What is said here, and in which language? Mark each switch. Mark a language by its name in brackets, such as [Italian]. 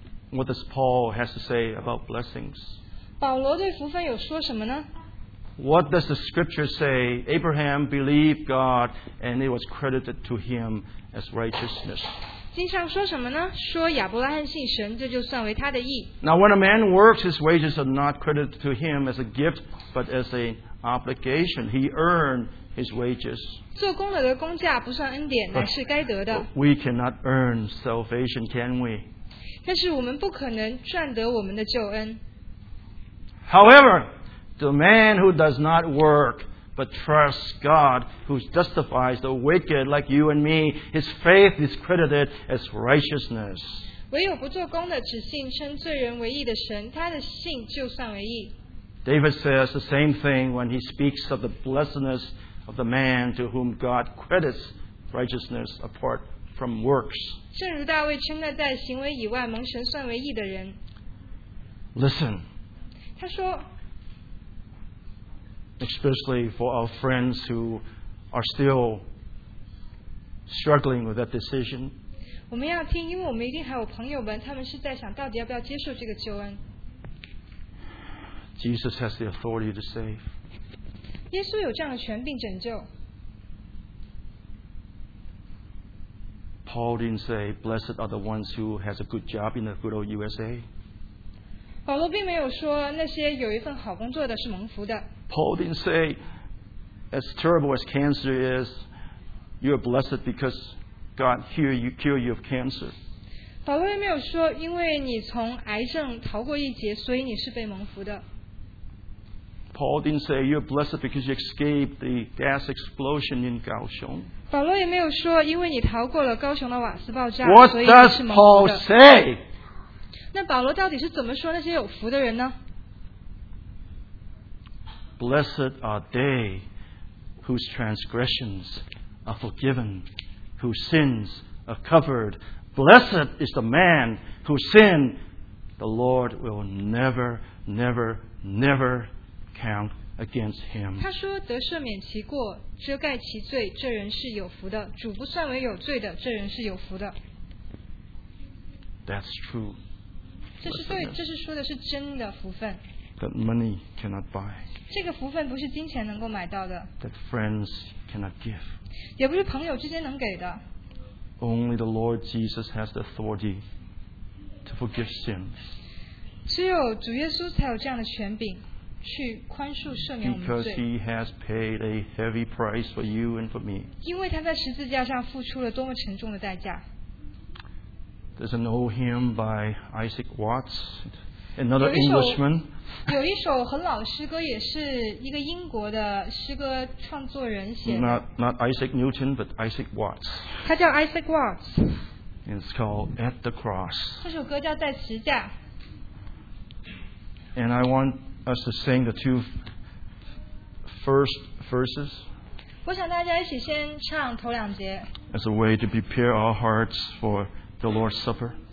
[English] what does Paul has to say about blessings? [Chinese] 保罗对福分有说什么呢? [English] What does the scripture say? Abraham believed God and it was credited to him as righteousness. [Chinese] 经常说什么呢? 说亚伯拉罕信神, 这就算为他的义。 [English] Now when a man works, his wages are not credited to him as a gift, but as an obligation. He earned his wages. [Chinese] 做工了的工价不算恩典, 乃是该得的。 [English] We cannot earn salvation, can we? [Chinese] 但是我们不可能赚得我们的救恩。 [English] However, the man who does not work but trusts God, who justifies the wicked like you and me, his faith is credited as righteousness. David says the same thing when he speaks of the blessedness of the man to whom God credits righteousness apart from works. Listen. Especially for our friends who are still struggling with that decision. [Chinese] 我们要听，因为我们一定还有朋友们，他们是在想到底要不要接受这个救恩。 [English] Jesus has the authority to save. [Chinese] 耶稣有这样的权柄拯救。 [English] Paul didn't say, "Blessed are the ones who has a good job in the good old USA." [Chinese] 保罗并没有说那些有一份好工作的是蒙福的。 [English] Paul didn't say, "As terrible as cancer is, you are blessed because God cured you of cancer." [Chinese] 保罗也没有说，因为你从癌症逃过一劫，所以你是被蒙福的。 [English] Paul didn't say you're blessed because you escaped the gas explosion in Kaohsiung. [Chinese] 保罗也没有说，因为你逃过了高雄的瓦斯爆炸，所以你是蒙福的。 [English] What does Paul say? [Chinese] 那保罗到底是怎么说那些有福的人呢？ [English] Blessed are they whose transgressions are forgiven, whose sins are covered. Blessed is the man whose sin the Lord will never, never, never. Count against him. [Chinese] 他说得赦免其过，遮盖其罪，这人是有福的。主不算为有罪的，这人是有福的。 [English] That's true. [Chinese] 这是对，这是说的是真的福分。 [English] That money cannot buy. [Chinese] 这个福分不是金钱能够买到的。 [English] That friends cannot give. [Chinese] 也不是朋友之间能给的。 [English] Only the Lord Jesus has the authority to forgive sins. [Chinese] 只有主耶稣才有这样的权柄。 [English] Because he has paid a heavy price for you and for me. [Chinese] 因为他在十字架上付出了多么沉重的代价。 [English] There's an old hymn by Isaac Watts, another Englishman. [Chinese] 有一首很老诗歌，也是一个英国的诗歌创作人写的。 [English] Not Isaac Newton, but Isaac Watts. [Chinese] 他叫 Isaac Watts. [English] It's called At the Cross. [Chinese] 这首歌叫在十字架。 [English] And I want. Us to sing the two first verses. [Chinese] 我想大家一起先唱头两节。 [English] As a way to prepare our hearts for the Lord's Supper.